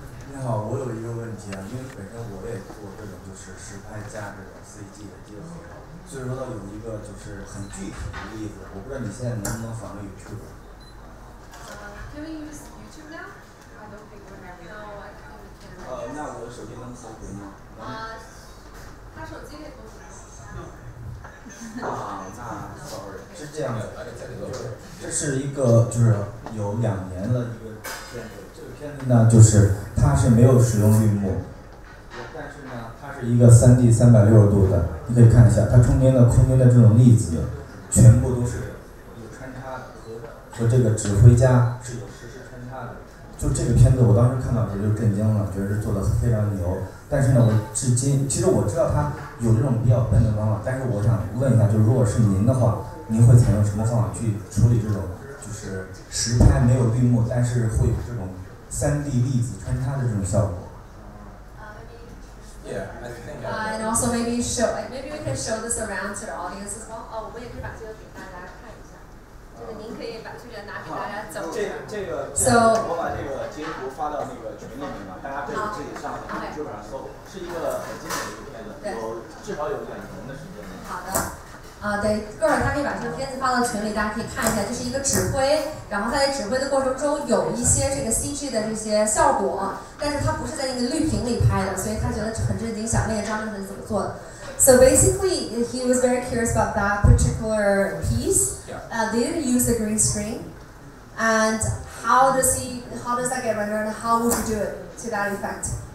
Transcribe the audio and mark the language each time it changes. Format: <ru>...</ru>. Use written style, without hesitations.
<zh>你好，我有一个问题啊，因为本身我也做这种就是实拍加这种 CG 的结合，所以说到有一个就是很具体的例子，我不知道你现在能不能访问 YouTube。</zh> <en>Can we use YouTube now? I don't think we're ready. No, I can't.</en> <zh>那我的手机能搜回吗？他手机也搜回。 sorry, 是这样的，这是一个就是有两年的一个片子，这个片子呢就是它是没有使用绿幕，但是呢它是一个 3D 360度的，你可以看一下它中间的空间的这种粒子全部都是有穿插和就这个指挥家是有实时穿插的。就这个片子，我当时看到的时候就震惊了，觉得做的非常牛。但是呢，我至今其实我知道他有这种比较笨的方法，但是我想问一下，就是如果是您的话，您会采用什么方法去处理这种就是实拍没有绿幕，但是会有这种三 D 粒子穿插的这种效果？</zh> <en>Yeah, I think. And also maybe show, like maybe we can show this around to the audience as well.</en> <zh>Oh, 我也可以把这个给大家看一下，就是您可以把这个拿给大家走。这个，我把这个截图发到那个群里面嘛，大家可以自己上去网上搜，是一个很经典的一个片子，有至少有两年的时间。好的。对，各位他可以把这个片子发到群里，大家可以看一下，就是一个指挥，然后他在指挥的过程中有一些这个 CG 的这些效果，但是他不是在那个绿屏里拍的，所以他觉得很震惊，想问一下张老师怎么做的。</zh> <en>So basically, he was very curious about that particular piece. They didn't use the green screen. And how does that get rendered, and how would you do it to that effect?</en>